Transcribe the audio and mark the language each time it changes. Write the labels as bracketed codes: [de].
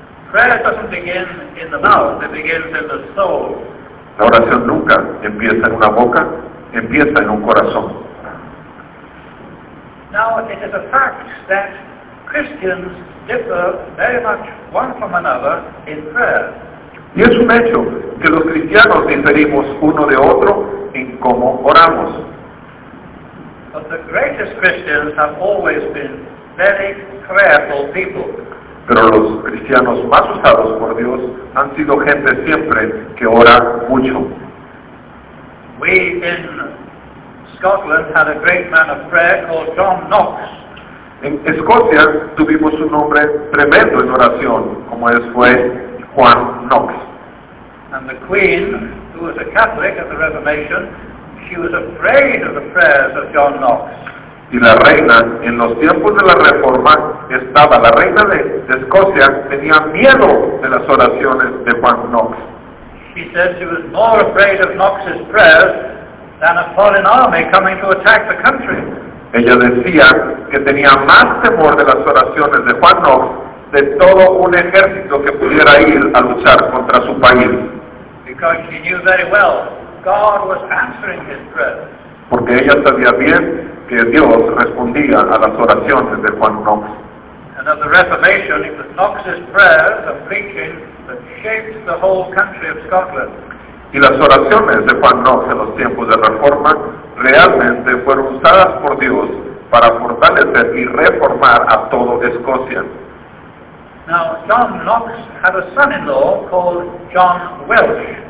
[es] La oración nunca empieza en una boca, empieza en un corazón. [en] Now it is a fact that Christians differ very much one from another in prayer. [es] Y es un hecho que los cristianos diferimos uno de otro en cómo oramos. [en] But the greatest Christians have always been very prayerful people. [es] Pero los cristianos más usados por Dios han sido gente siempre que ora mucho. [en] We in Scotland had a great man of prayer called John Knox. [es] En Escocia tuvimos un hombre tremendo en oración, como es fue Juan Knox. [en] And the Queen, who was a Catholic at the Reformation, she was afraid of the prayers of John Knox. [es] Y la reina, en los tiempos de la Reforma, estaba, la reina de Escocia, tenía miedo de las oraciones de Juan Knox. [en] She said she was more afraid of Knox's prayers than a foreign army coming to attack the country. [es] Ella decía que tenía más temor de las oraciones de Juan Knox de todo un ejército que pudiera ir a luchar contra su país. [en] Because she knew very well God was answering his prayers. [es] Porque ella sabía bien que Dios respondía a las oraciones de Juan Knox. [en] And at the Reformation, it was Knox's prayers of preaching that shaped the whole country of Scotland. [es] Y las oraciones de Juan Knox en los tiempos de Reforma realmente fueron usadas por Dios para fortalecer y reformar a todo Escocia. [en] Now, John Knox had a son-in-law called John Welch.